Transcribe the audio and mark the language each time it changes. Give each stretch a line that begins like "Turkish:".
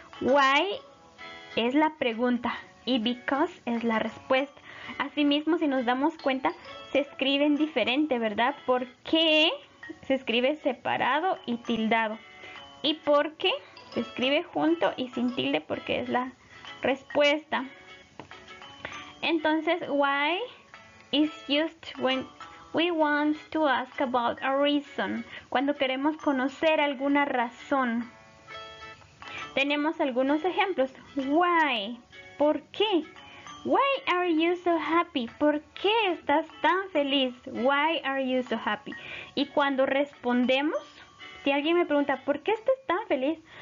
Spanish: Why es la pregunta y because es la respuesta. Asimismo, si nos damos cuenta, se escriben diferente, ¿verdad? ¿Por qué? Se escribe separado y tildado. ¿Y por qué? Se escribe junto y sin tilde porque es la respuesta.
English: Entonces, why is used when we want to ask about a reason.
Spanish: Cuando queremos conocer alguna razón. Tenemos algunos ejemplos.
English: Why?
Spanish: ¿Por qué?
English: Why are you so happy?
Spanish: ¿Por qué estás tan feliz?
English: Why are you so happy?
Spanish: Y cuando respondemos, si alguien me pregunta, ¿por qué estás tan feliz?